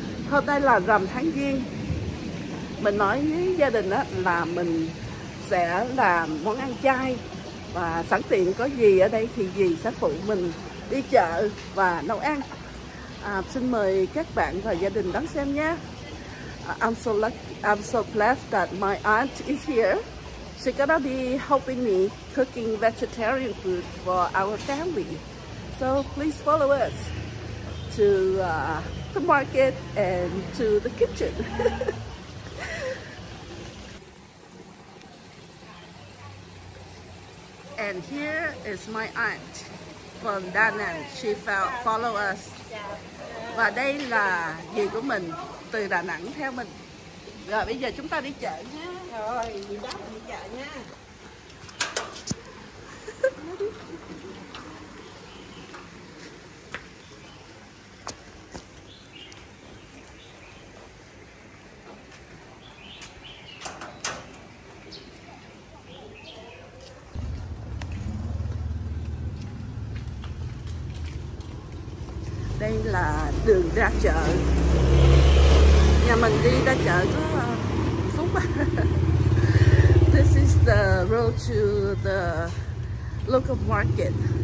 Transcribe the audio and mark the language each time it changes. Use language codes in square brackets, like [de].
[vi] Hôm nay là rằm tháng giêng. Mình nói với gia đình đó là mình sẽ làm món ăn chay, và sẵn tiện có gì ở đây thì dì sẽ phụ mình đi chợ và nấu ăn. Xin mời các bạn và gia đình đón xem nhé. [en] I'm so blessed that my aunt is here. She's gonna be helping me cooking vegetarian food for our family. So please follow us to the market and to the kitchen. And here is my aunt from Da Nang. She follow us. [vi] Và đây là dì của mình từ Đà Nẵng theo mình. Rồi bây giờ chúng ta đi chợ nhé. Rồi, dì bác đi chợ nha. Đây là đường ra chợ. Nhà mình đi ra chợ có phút. [en] This is the road to the local market.